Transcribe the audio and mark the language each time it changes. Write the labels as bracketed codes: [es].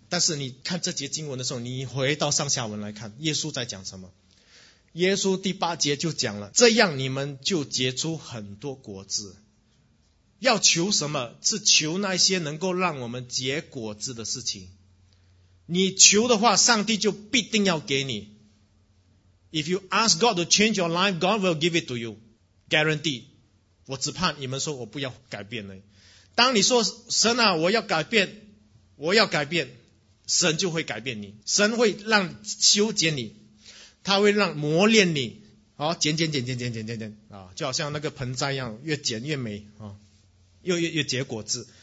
[zh] 但是你看这节经文的时候，你回到上下文来看，耶稣在讲什么？耶稣8就讲了，这样你们就结出很多果子。要求什么？是求那些能够让我们结果子的事情。你求的话，上帝就必定要给你。 [en] If you ask God to change your life, God will give it to you. Guarantee. [zh] 我只盼你们说我不要改变了。当你说神啊，我要改变，神就会改变你，神会让修剪你，他会让磨练你，好，剪，就好像那个盆栽一样，越剪越美啊，越结果子。